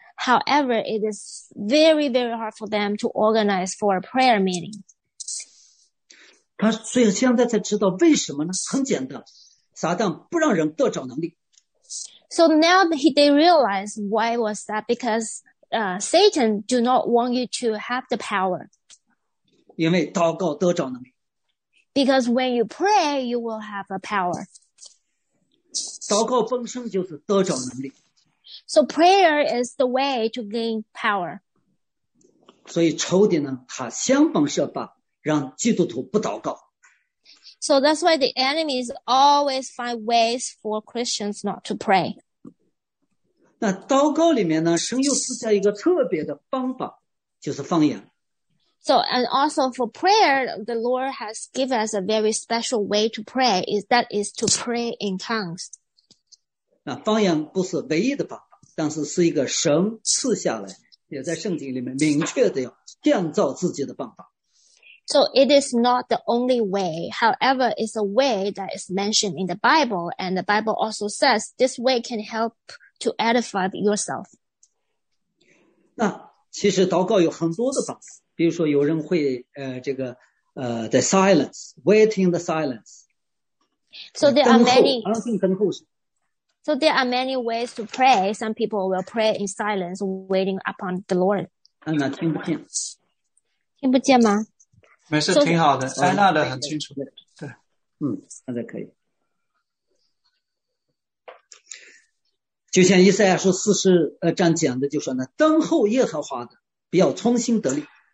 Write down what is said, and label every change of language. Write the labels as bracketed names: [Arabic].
[English] However, it is very very hard for them to organize for a prayer meeting. [Chinese] 他所以现在才知道为什么呢？很简单，撒旦不让人得着能力。 [English] So now they realize why was that? Because Satan do not want you to have the power. [Chinese] 因为祷告得着能力。 [English] Because when you pray, you will have a power. [Chinese] 祷告本身就是得着能力。 [English] So prayer is the way to gain power. [Chinese] 所以仇敌呢，他想方设法让基督徒不祷告。 [English] So that's why the enemies always find ways for Christians not to pray. [Chinese] 那祷告里面呢，神又赐下一个特别的方法，就是方言。 [English] So and also for prayer, the Lord has given us a very special way to pray. That is to pray in tongues. [Chinese] 那方言不是唯一的方法，但是是一个神赐下来，也在圣经里面明确的要建造自己的方法。 [English] So it is not the only way. However, it's a way that is mentioned in the Bible. And the Bible also says this way can help to edify yourself. [Chinese] 那其实祷告有很多的方法。比如说有人会在 [English] silence, waiting the silence. So there are many. So there are many ways to pray. Some people will pray in silence, waiting upon the Lord. [Chinese] 那听不见。听不见吗？没事，挺好的，安娜的很清楚。对，现在可以。就像以赛亚书40章讲的，就说呢，等候耶和华的，必要重新得力。